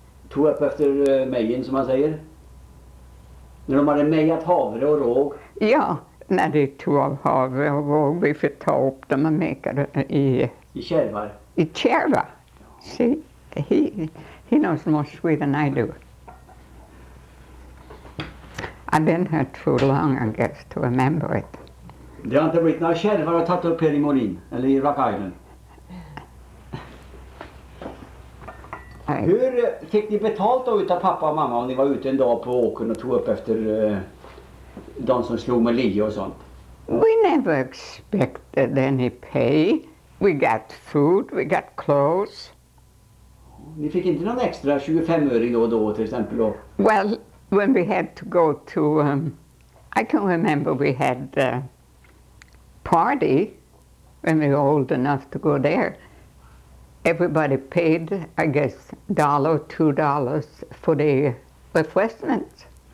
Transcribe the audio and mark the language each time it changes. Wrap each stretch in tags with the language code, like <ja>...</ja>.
<sv>Tog upp efter mejen, som man säger? När de hade mejat havre och råg? Ja, när de tog av havre och råg, vi fick ta upp dem och meka dem i kärvar. I kärvar.</sv> <en>See, he knows more Swede than I do. I've been here too long, I guess, to remember it.</en> <sv>Det har inte blivit några kärvar att ha tagit upp här i Morin, eller i Rock Island. Hur fick ni betalt då utav pappa och mamma om ni var ute en dag på åkern och tog upp efter de som slog med lio och sånt?</sv> <en>We never expected any pay. We got food, we got clothes.</en> <sv>Ni fick inte någon extra 25-öring då och då till exempel då?</sv> <en>Well, when we had to go to, I can remember we had a party when we were old enough to go there. Everybody paid, I guess, $1, $2 for the refreshments.</en>